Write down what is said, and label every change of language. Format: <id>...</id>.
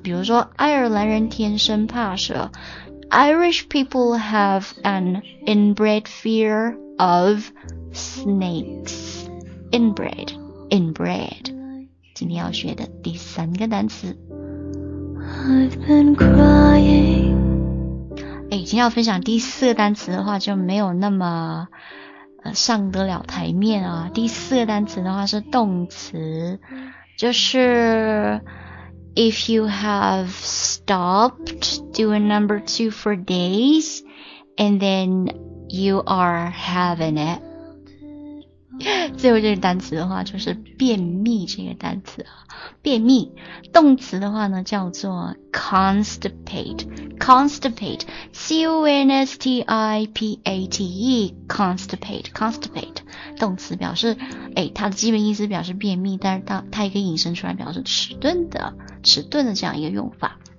<zh>比如说，爱尔兰人天生怕蛇</zh> <en>，Irish people have an inbred fear of snakes。</en> <zh>inbred， 今天要学的第三个单词。</zh> <en>I've been crying。</en> <zh>今天要分享第四个单词的话就没有那么上得了台面啊。第四个单词的话是动词，就是</zh> <en>If you have stopped doing number two for days and then you are having it。</en> <zh>最后这个单词的话就是便秘，这个单词便秘。动词的话呢叫做 constipate C-O-N-S-T-I-P-A-T-E constipate 动词表示它的基本意思表示便秘，但是 它也可以引申出来表示迟钝的这样一个用法。</zh>